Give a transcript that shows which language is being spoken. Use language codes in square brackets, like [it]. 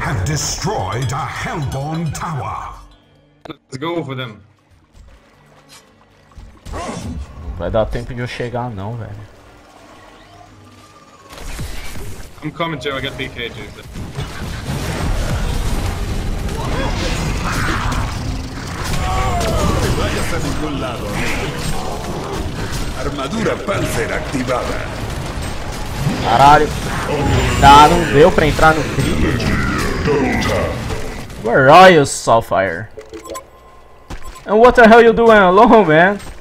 [en] Destroyed a Hellborn tower. Let's go for them. [pt] Não vai dar tempo de eu chegar não, velho. [en] I'm coming too, I got BK juice. [es] Vaya a ningún lado. Armadura Panzer activada. [pt] Caralho. Ah, não deu pra entrar no trigger. [en] Where are you, Sapphire? And what the hell you doing alone, man?